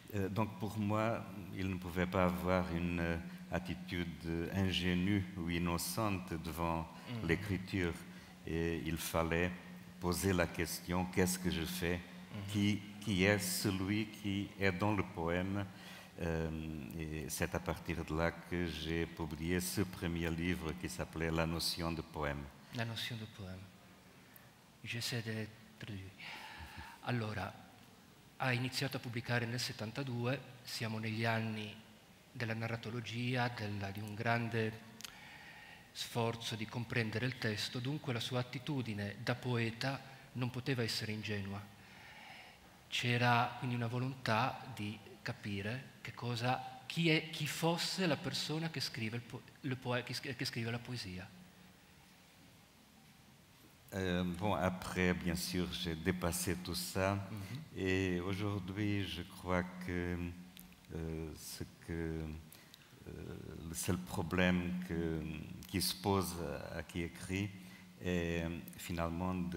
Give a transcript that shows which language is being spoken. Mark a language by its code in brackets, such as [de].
[fr] Donc pour moi, il ne pouvait pas avoir une attitude ingénue ou innocente devant l'écriture et il fallait poser la question, qu'est-ce que je fais? Qui est celui qui est dans le poème et c'est à partir de là que j'ai publié ce premier livre qui s'appelait La notion de poème. La notion de poème. J'essaie de traduire. [it] Allora, ha iniziato a pubblicare nel 72, siamo negli anni della narratologia, di un grande sforzo di comprendere il testo, dunque la sua attitudine da poeta non poteva essere ingenua. C'era quindi una volontà di capire chi fosse la persona che scrive che scrive la poesia. [fr] Bon, après, bien sûr, j'ai dépassé tout ça. Et aujourd'hui, je crois que le seul problème qui se pose à qui écrit est finalement